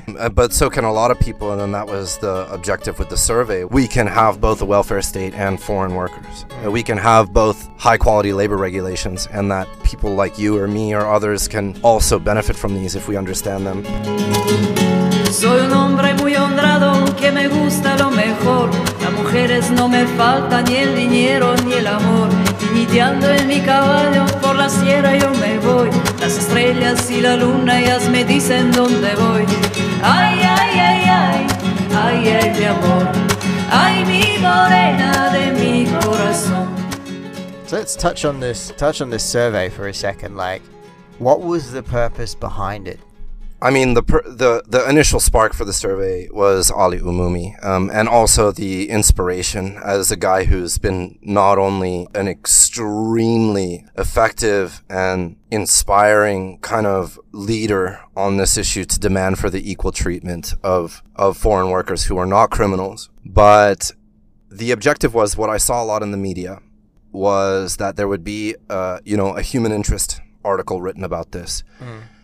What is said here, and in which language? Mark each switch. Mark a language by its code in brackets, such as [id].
[en] But so can a lot of people, and then that was the objective with the survey. We can have both a welfare state and foreign workers. We can have both high-quality labor regulations, and that people like you or me or others can also benefit from these if we understand them. [es] Soy un hombre muy honrado que me gusta lo mejor. Las mujeres no me faltan ni el dinero ni el amor. Tiñiteando en mi caballo por la sierra yo me voy. Las estrellas y la luna ellas me dicen dónde voy. Ay, ay, ay, ay, ay, ay, mi amor. Ay, mi morena de mi corazón. [en] So let's touch on this survey for a second. Like, what was the purpose behind it? I mean, the initial spark for the survey was Ali Umumi, and also the inspiration as a guy who's been not only an extremely effective and inspiring kind of leader on this issue to demand for the equal treatment of foreign workers who are not criminals, but the objective was what I saw a lot in the media was that there would be a human interest article written about this. Mm.